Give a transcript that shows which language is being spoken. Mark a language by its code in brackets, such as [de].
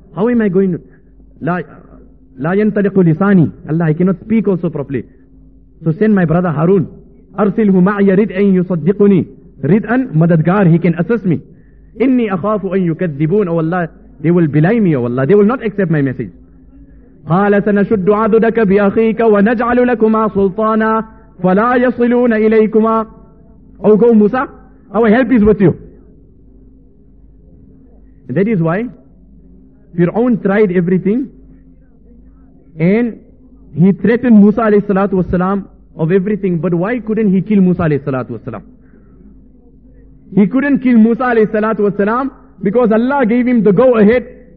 [en] How am I going to... [ar] لَا يَنْتَلِقُ لِسَانِي. [en] Allah, I cannot speak also properly. So send my brother Harun. [ar] أَرْسِلْهُ مَعْيَ رِدْءٍ يُصَدِّقُنِي. [en] رِدْءٍ, مَدَدْغَار, he can assist me. [ar] إِنِّي أَخَافُ أَن يُكَذِّبُونَ. [en] Oh Allah, they will belie me, oh Allah. They will not accept my message. [ar] قال سنشد عضدك بأخيك ونجعل لكما سلطانا فلا يصلون إليكما. [en] Oh, go Musa, our help is with you. And that is why Fir'aun tried everything, and he threatened Musa alayhi salatu wasalam of everything. But why couldn't he kill Musa alayhi salatu wasalam? He couldn't kill Musa alayhi salatu wasalam because Allah gave him the go ahead.